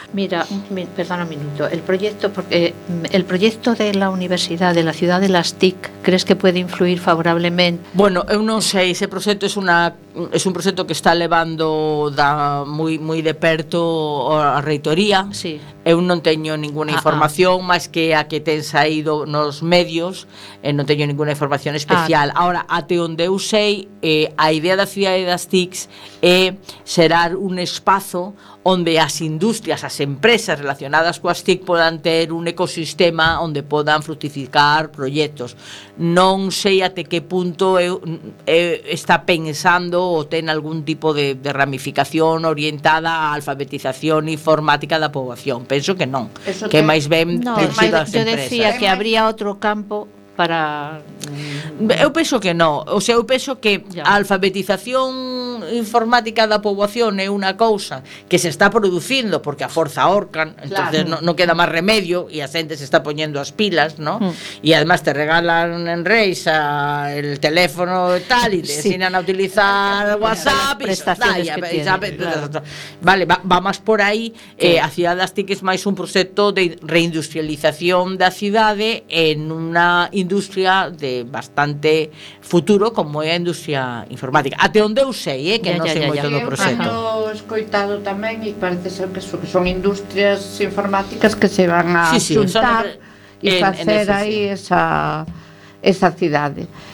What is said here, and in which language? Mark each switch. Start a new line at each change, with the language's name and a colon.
Spanish: Mira, perdona un minuto, el proyecto de la Universidad de la Ciudad de las TIC, ¿crees que puede influir favorablemente?
Galician: Bueno, eu non sei, ese proxecto é un proxecto que está levando da moi moi de perto a reitoría. Sí. Eu non teño ninguna información máis que a que ten saído nos medios, non teño ninguna información especial. Agora, até onde eu sei, a idea da cidade das TICs é xerar un espazo onde as industrias, as empresas relacionadas coas TIC podan ter un ecosistema onde podan fructificar proxectos. Non sei até que punto está pensando ou ten algún tipo de ramificación orientada á alfabetización informática da poboación. Penso que non. Eso que máis ben... No, máis, eu decía que habría outro campo para... Eu penso que non. O sea, eu penso que a alfabetización informática da poboación é unha cousa que se está producindo porque a forza ahorcan, entonces claro, non queda máis remedio e a xente se está poñendo as pilas, ¿no? E además te regalan en Reis a el teléfono e tal e te ensinan a utilizar WhatsApp e claro. Vale, va máis por aí, a cidade das TIC é máis un proxecto de reindustrialización da cidade en unha industria de bastante futuro como é a industria informática. Até onde eu sei, que non sei moito do proxecto. Eu escoitado tamén e parece ser que son industrias informáticas que se van a xuntar e facer aí esa cidade.